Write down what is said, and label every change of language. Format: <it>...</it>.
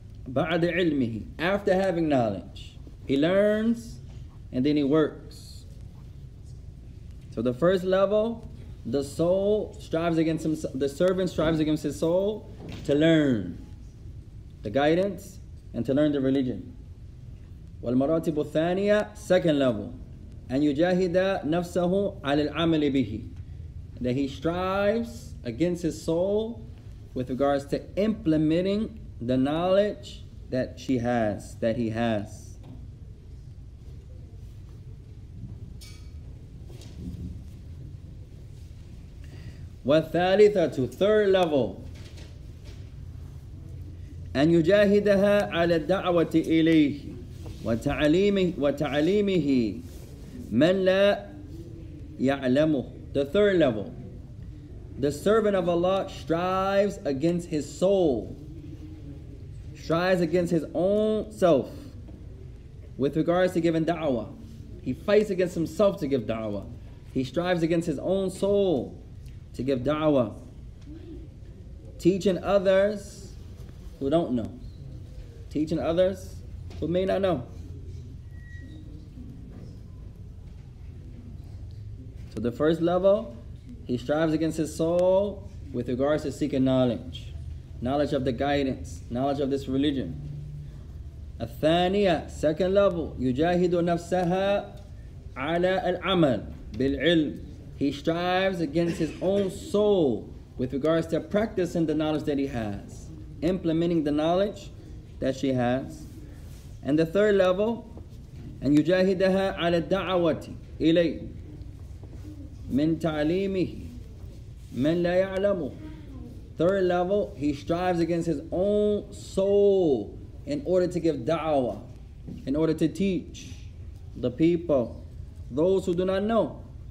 <ar>بَعْدَ عِلْمِهِ</ar> <en>After having knowledge. He learns and then he works. So the first level, the soul strives against himself, the servant strives against his soul to learn the guidance and to learn the religion.</en> <ar>والمراتب الثانية,</ar> <en>second level.</en> <ar>أن يجاهد نفسه على العمل به.</ar> <en>That he strives against his soul with regards to implementing the knowledge that she has, that he has.</en> <ar>والثالثة</ar> <en>to third level.</en> <ar>أن يجاهدها على الدعوة إليه وتعليمه من لا يعلمه.</ar> <en>The third level. The servant of Allah strives against his soul, strives against his own self with regards to giving da'wah. He fights against himself to give da'wah. He strives against his own soul to give da'wah, teaching others who don't know, teaching others who may not know. So the first level, he strives against his soul with regards to seeking knowledge, knowledge of the guidance, knowledge of this religion.</en> <ar>الثانية,</ar> <en>second level,</en> <ar>يجاهد نفسها على العمل بالعلم.</ar> <en>He strives against his own soul with regards to practicing the knowledge that he has, implementing the knowledge that she has. And the third level, and</en> <ar>يُجَاهِدَهَا عَلَى الدَّعَوَةِ إِلَيْهِ مِنْ تَعْلِيمِهِ مَنْ لَا يَعْلَمُ</ar> <en>Third level, he strives against his own soul in order to give da'wah, in order to teach the people, those who do not know.</en>